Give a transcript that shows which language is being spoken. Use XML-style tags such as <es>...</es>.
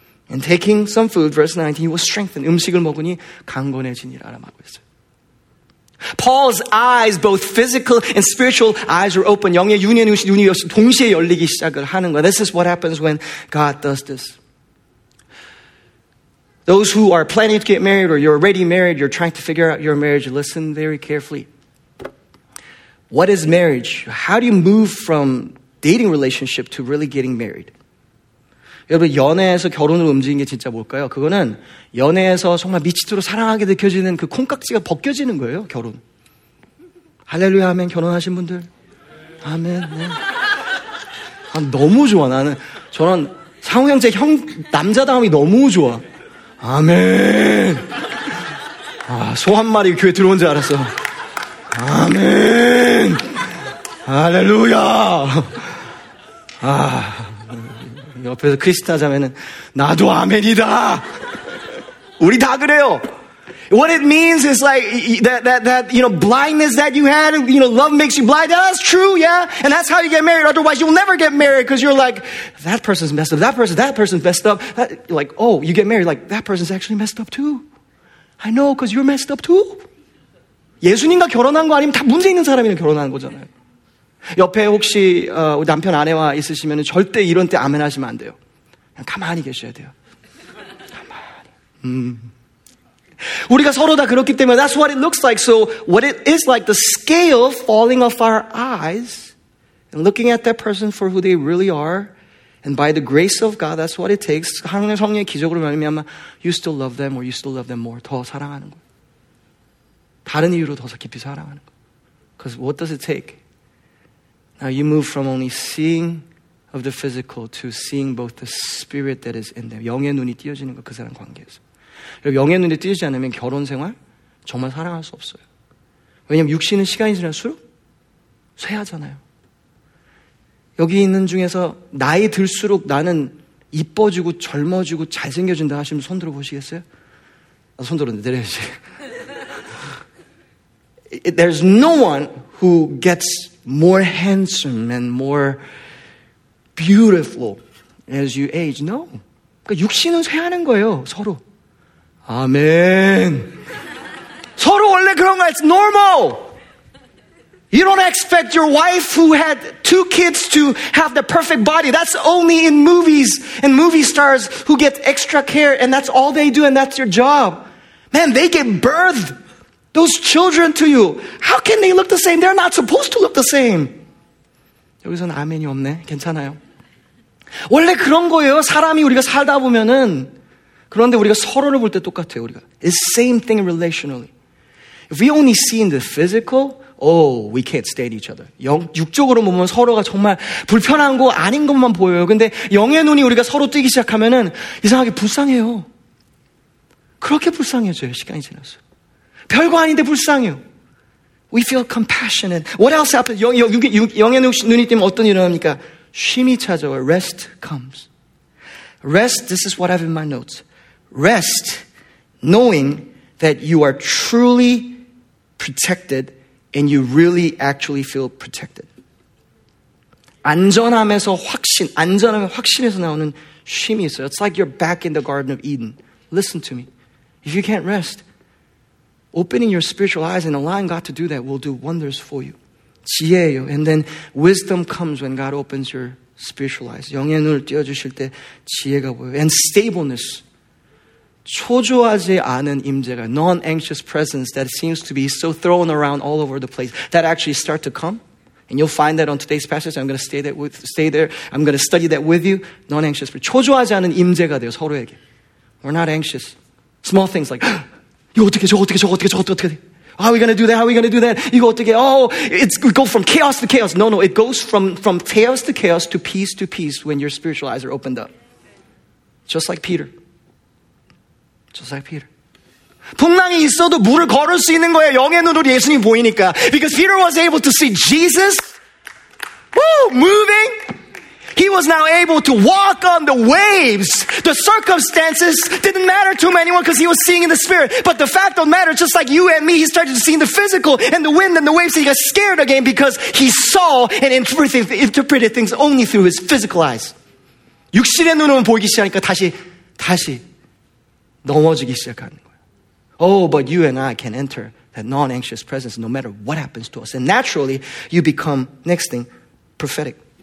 <en>And taking some food, verse 19, he was strengthened.</en> <ko>음식을 먹으니 강건해지니라 말하고 있어요.</ko> <en>Paul's eyes, both physical and spiritual eyes, were open.</en> <ko>영의 눈이 동시에 열리기 시작을 하는 거예요.</ko> <en>This is what happens when God does this. Those who are planning to get married or you're already married, you're trying to figure out your marriage, listen very carefully. What is marriage? How do you move from dating relationship to really getting married?</en> <ko>여러분 연애에서 결혼으로 움직인 게 진짜 뭘까요? 그거는 연애에서 정말 미치도록 사랑하게 느껴지는 그 콩깍지가 벗겨지는 거예요. 결혼. 할렐루야 아멘 결혼하신 분들. 아멘. 네. 아, 너무 좋아. 나는 저는 상우 형제 형 남자다움이 너무 좋아. 아멘. 아, 소 한 마리 교회 들어온 줄 알았어. 아멘. 할렐루야. 아. 옆에서 크리스티나 자매는 나도 아멘이다. 우리 다 그래요.</ko> <en>What it means is like that you know blindness that you had. You know, love makes you blind. That's true, yeah. And that's how you get married. Otherwise, you'll never get married because you're like that person's messed up. That person's messed up. That, like, oh, you get married. Like that person's actually messed up too. I know because you're messed up too.</en> <ko>예수님과 결혼한 거 아니면 다 문제 있는 사람이랑 결혼한 거잖아요. 옆에 혹시 남편 아내와 있으시면 절대 이런 때 아멘 하시면 안 돼요. 그냥 가만히 계셔야 돼요. 가만히. 우리가 서로 다 그렇기 때문에</ko> <en>that's what it looks like. So what it is like the scale falling off our eyes and looking at that person for who they really are and by the grace of God that's what it takes.</en> <ko>하나님의 성령의 기적으로 말미암아</ko> <en>you still love them or you still love them more.</en> <ko>더 사랑하는 거예요. 다른 이유로 더 깊이 사랑하는 거예요.</ko> <en>Because what does it take? Now you move from only seeing of the physical to seeing both the spirit that is in them.</en> <ko>영의 눈이 띄어지는 거 그 사람 관계에서. 영의 눈이 띄어지지 않으면 결혼 생활 정말 사랑할 수 없어요. 왜냐하면 육신은 시간이 지날수록 쇠하잖아요. 여기 있는 중에서 나이 들수록 나는 이뻐지고 젊어지고 잘생겨진다 하시면 손 들어보시겠어요? 손 들었는데 내려야지.</ko> <en>There's no one who gets more handsome and more beautiful as you age. No.</en> <ko>그러니까 육신은 쇠하는 거예요, 서로. 아멘. 서로 원래 그런 거야.</ko> <en>It's normal. You don't expect your wife who had two kids to have the perfect body. That's only in movies and movie stars who get extra care and that's all they do and that's your job. Man, they give birth, those children to you. How can they look the same? They're not supposed to look the same.</en> <ko>여기서는 아멘이 없네. 괜찮아요. 원래 그런 거예요. 사람이 우리가 살다 보면은. 그런데 우리가 서로를 볼 때 똑같아요. 우리가.</ko> <en>It's the same thing relationally. If we only see in the physical, oh, we can't stand each other.</en> <ko>육적으로 보면 서로가 정말 불편한 거 아닌 것만 보여요. 근데 영의 눈이 우리가 서로 뜨기 시작하면은 이상하게 불쌍해요. 그렇게 불쌍해져요. 시간이 지나서. 별거 아닌데 불쌍해요.</ko> <en>We feel compassionate. What else happens?</en> <ko>영의 눈이 뜨면 어떤 일이 일어납니까? 쉼이 찾아와요.</ko> <en>Rest comes. Rest, this is what I have in my notes. Rest, knowing that you are truly protected and you really actually feel protected.</en> <ko>안전함에서 확신, 안전함의 확신에서 나오는 쉼이 있어요.</ko> <en>It's like you're back in the Garden of Eden. Listen to me. If you can't rest, opening your spiritual eyes and allowing God to do that will do wonders for you.</en> <ko>지혜예요.</ko> <en>And then wisdom comes when God opens your spiritual eyes.</en> <ko>영의 눈을 띄워주실 때 지혜가 보여요.</ko> <en>And stableness.</en> <ko>초조하지 않은 임재가,</ko> <en>non-anxious presence that seems to be so thrown around all over the place, that actually start to come. And you'll find that on today's passage. I'm going to stay there. I'm going to study that with you. Non-anxious.</en> <ko>초조하지 않은 임재가 돼요, 서로에게.</ko> <en>We're not anxious. Small things like,</en> <ko>이거 어떻게, 저거 어떻게,</ko> <en>저거 어떻게, 저거 어떻게. How are we going to do that? How are we going to do that?</en> <ko>이거 어떻게,</ko> <en>oh, it's, we go from chaos to chaos. No, no, it goes from chaos to chaos to peace when your spiritual eyes are opened up. Just like Peter. Just like Peter.</en> <ko>풍랑이 있어도 물을 걸을 수 있는 거예요. 영의 눈으로 예수님 보이니까.</ko> <en>Because Peter was able to see Jesus. Woo, moving. He was now able to walk on the waves. The circumstances didn't matter to him anymore because he was seeing in the spirit. But the fact of the matter, just like you and me, he started to see the physical and the wind and the waves. He got scared again because he saw and interpreted things only through his physical eyes.</en> <ko>육신의 눈으로 보이기 시작하니까 다시 넘어지기 시작하는 거예요.</ko> <en>Oh, but you and I can enter that non-anxious presence no matter what happens to us. And naturally, you become, next thing, prophetic.</en>